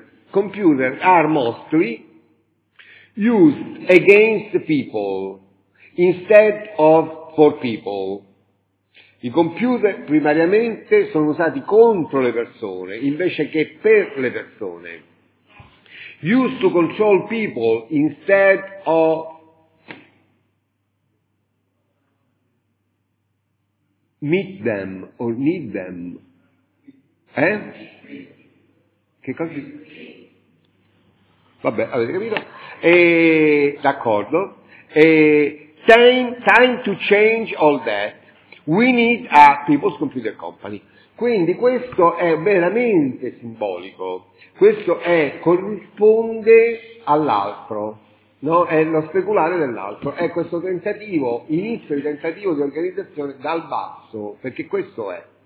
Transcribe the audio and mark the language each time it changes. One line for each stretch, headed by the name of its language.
English: Computer are mostly used against people instead of for people.
Italian: I computer primariamente sono usati contro le persone invece che per le persone.
English: Used to control people instead of meet them or need them.
Italian: Che cosa? Vabbè, avete capito? D'accordo.
English: Time to change all that. We need a People's Computer Company.
Italian: Quindi questo è veramente simbolico. Questo è, corrisponde all'altro, no? È lo speculare dell'altro. È questo tentativo, inizio di tentativo di organizzazione dal basso, perché questo è.